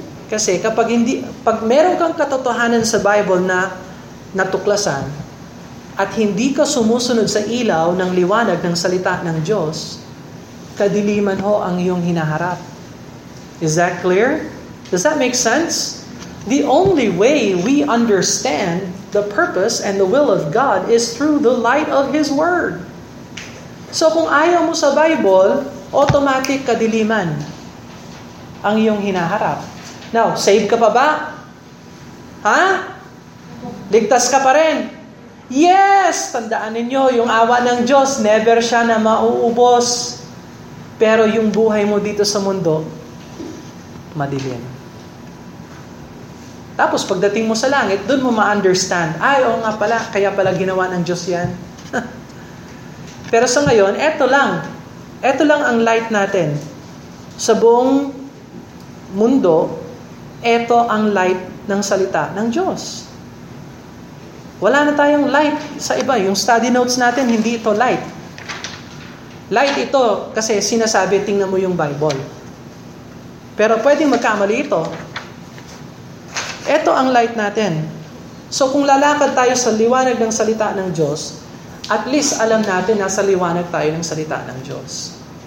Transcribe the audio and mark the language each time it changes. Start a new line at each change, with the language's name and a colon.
Filipino: Kasi pag meron kang katotohanan sa Bible na natuklasan at hindi ka sumusunod sa ilaw ng liwanag ng salita ng Diyos, kadiliman ho ang iyong hinaharap.
English: Is that clear? Does that make sense? The only way we understand the purpose and the will of God is through the light of His Word.
Filipino: So kung ayaw mo sa Bible, automatic kadiliman ang iyong hinaharap. Now, saved ka pa ba? Ha? Ligtas ka pa rin? Yes! Tandaan ninyo, yung awa ng Diyos, never siya na mauubos. Pero yung buhay mo dito sa mundo, madilim. Tapos, pagdating mo sa langit, dun mo ma-understand. Ay, oo nga pala, kaya pala ginawa ng Diyos yan. Pero sa ngayon, eto lang. Eto lang ang light natin. Sa buong mundo, eto ang light ng salita ng Diyos. Wala na tayong light sa iba. Yung study notes natin, hindi ito light. Light ito kasi sinasabi, tingnan mo yung Bible. Pero pwedeng magkamali ito. Ito ang light natin. So kung lalakad tayo sa liwanag ng salita ng Diyos, at least alam natin na sa liwanag tayo ng salita ng Diyos.